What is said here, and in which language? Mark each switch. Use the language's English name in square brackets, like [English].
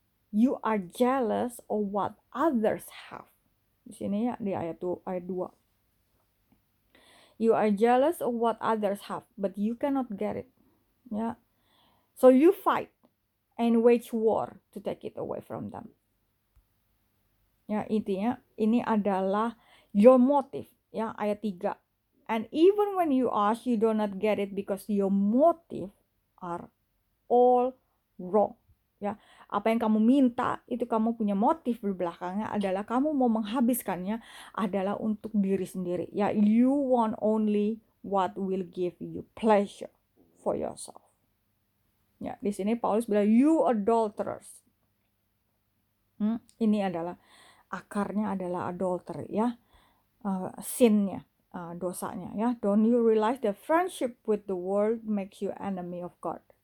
[English] You are jealous of what others have. [Indonesian] Di sini, ya, di ayat 2. [English] You are jealous of what others have, but you cannot get it. Yeah. So you fight and wage war to take it away from them. [Indonesian] Ya, intinya ini adalah [English] your motive, [Indonesian] ya, ayat 3. [English] And even when you ask, you do not get it because your motive are all wrong. [Indonesian] Ya, apa yang kamu minta itu kamu punya motif di belakangnya adalah kamu mau menghabiskannya adalah untuk diri sendiri. [English] Ya, you want only what will give you pleasure for yourself. [Indonesian] Ya, di sini Paulus bilang [English] you adulterers. [Indonesian] Ini adalah akarnya adalah adultery, ya. Sinnya, dosanya, ya. [English] Don't you realize that friendship with the world makes you enemy of God?